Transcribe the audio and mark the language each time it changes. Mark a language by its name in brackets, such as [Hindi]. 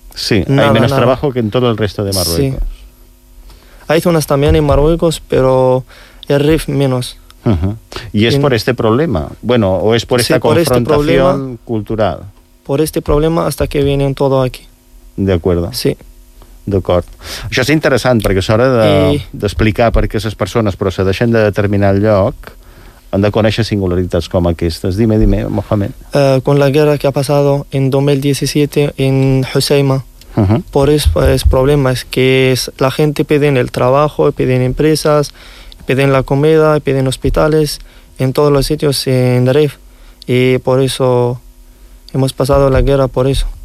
[Spanish] Sí, nada, hay menos trabajo que en todo el resto de Marruecos. Sí. Hay zonas también en Marruecos, pero el Rif menos. ¿Y es por este problema? Bueno, ¿o es por esta confrontación cultural? por este problema hasta que vienen todo aquí. De acuerdo. Sí. [Catalan] D'acord. Això és interessant, perquè és hora d'explicar per què aquestes persones procedeixen de determinat lloc, han de conèixer singularitats com aquestes. [Spanish] Dime, dime, Mohamed. Con la guerra que ha pasado en 2017 en Huseima, por esos problemas que es, la gente pide en el trabajo, pide en empresas, pide en la comida, pide en hospitales, en todos los sitios en Daref. Y por eso hemos pasado la guerra por eso.